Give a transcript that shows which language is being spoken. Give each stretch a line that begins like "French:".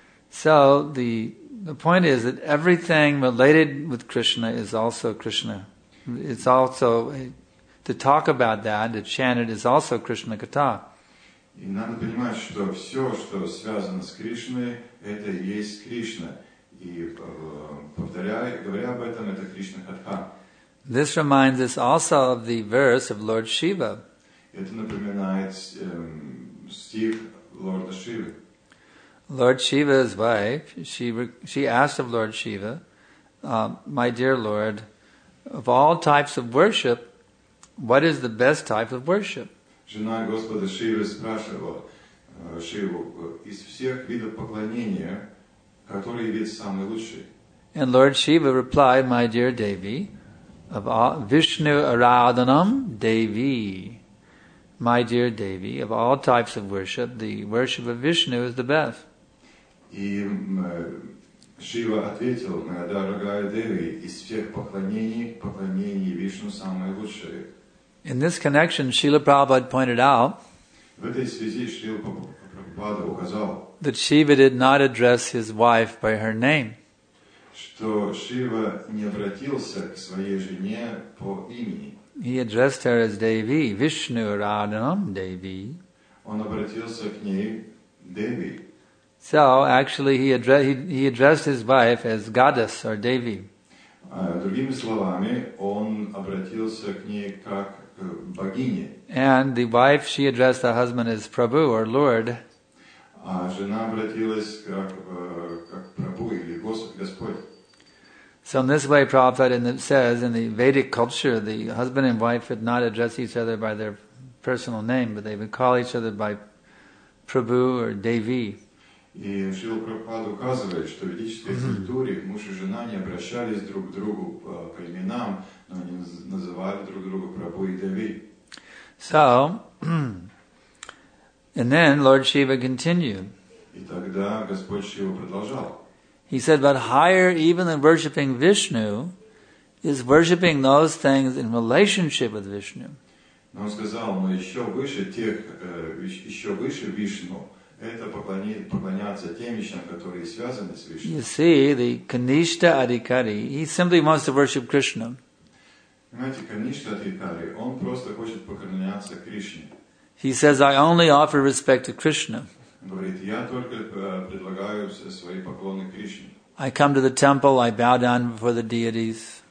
English: So the point is that everything related with Krishna is also Krishna. It's also... To talk about that, to chant it, is also Krishna Katha.
Russian: И надо понимать, что все, что связано с Кришной, это и есть Кришна. И повторяя, говоря об этом, это Кришна Катха.
English: This reminds us also of the verse of Lord Shiva.
Russian: Это напоминает стих Лорда Шивы.
English: Lord Shiva's wife, she asked of Lord Shiva, "My dear Lord, of all types of worship." What is the best type of worship?
Russian: Жена Господа Шивы спрашивала Шиву, из всех видов поклонения, который вид самый лучший?
English: And Lord Shiva replied, my dear Devi, of all, Vishnu Aradhanam Devi. My dear Devi, of all types of worship, the worship of Vishnu is the best.
Russian: И Шива ответил, моя дорогая Деви, из всех поклонений, поклонение Вишну самое лучшее.
English: In this connection, Srila Prabhupada pointed out that Shiva did not address his wife by her name. He addressed her as Devi, Vishnu Radhanam Devi. So, actually, he addressed his wife as Goddess or Devi.
Russian: Другими словами, он обратился к ней как
English: And the wife, she addressed the husband as Prabhu or Lord.
Russian: А жена обратилась как Прабху или Господь.
English: So in this way, Prabhupada says in the Vedic culture, the husband and wife would not address each other by their personal name, but they would call each other by Prabhu or Devi.
Russian: И Шрила Прабхупада указывает, что в ведической культуре муж и жена не обращались друг к другу по именам, но они называли друг друга Прабху и Деви.
English: So, and then Lord Shiva continued.
Russian: И тогда Господь Шива продолжал.
English: He said, but higher even than worshipping Vishnu is worshipping those things in relationship with Vishnu.
Russian: Но он сказал, но еще выше тех, еще выше Вишну, Это поклоняться тем вещам, которые связаны с Вишну.
English: You see, the Kanishta Adhikari, he simply wants to worship Krishna.
Russian: Понимаете, Kanishta Adhikari, он просто хочет поклоняться Кришне.
English: He says, I only offer respect to Krishna.
Russian: Говорит, я только предлагаю свои поклоны Кришне.
English: I come to the temple, I bow down before the deities.